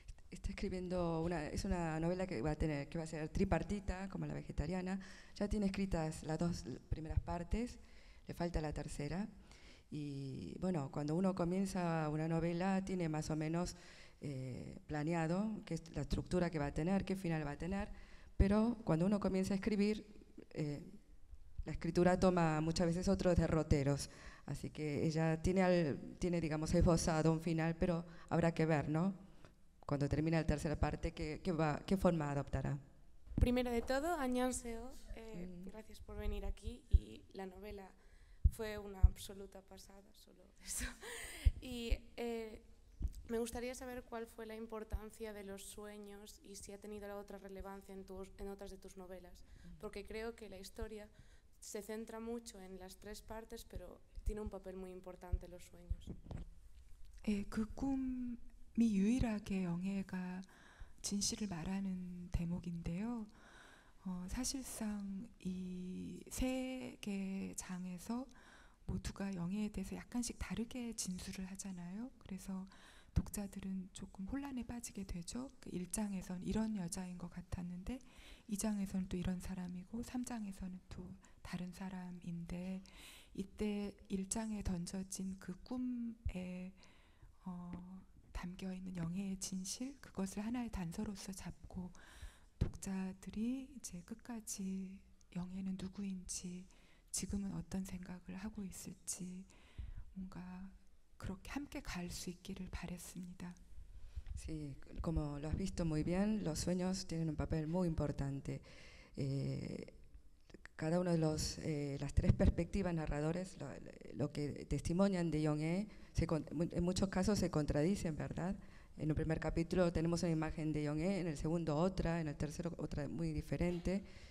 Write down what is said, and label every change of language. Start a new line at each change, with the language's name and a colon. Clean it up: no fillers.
Spanish: Está escribiendo es una novela que va a ser tripartita, como la vegetariana. Ya tiene escritas las dos primeras partes, le falta la tercera. Y bueno, cuando uno comienza una novela, tiene más o menos planeado qué es la estructura que va a tener, qué final va a tener. Pero cuando uno comienza a escribir, la escritura toma muchas veces otros derroteros. Así que ella tiene digamos, esbozado un final, pero habrá que ver, ¿no? Cuando termina la tercera parte, ¿qué forma adoptará? Primero de todo, Añanseo, gracias por venir aquí. Y la novela fue una absoluta pasada, solo eso. Y me gustaría saber cuál fue la importancia de los sueños y si ha tenido la otra relevancia en otras de tus novelas. Porque creo que la historia se centra mucho en las tres partes, pero tiene un papel muy importante los sueños.
Korean: Mi 유일하게 영애가 진실을 말하는 대목인데요. 사실상 이 세 개 장에서 모두가 영애에 대해서 약간씩 다르게 진술을 하잖아요. 그래서 독자들은 조금 혼란에 빠지게 되죠. 1장에선 이런 여자인 것 같았는데 2장에선 또 이런 사람이고 3장에서는 또 다른 사람인데 이때 1장에 던져진 그 꿈에 담겨 있는 영혜의 진실 그것을 하나의 단서로서 잡고 독자들이 이제 끝까지 영혜는 누구인지 지금은 어떤 생각을 하고 있을지 뭔가 그렇게 함께 갈 수 있기를 바랬습니다.
Spanish: Sí, como lo has visto muy bien, los sueños tienen un papel muy importante. Cada uno de los las tres perspectivas narradores lo que testimonian de Yong-e en muchos casos se contradicen, ¿verdad? En el primer capítulo tenemos una imagen de Yong-e, en el segundo otra, en el tercero otra muy diferente.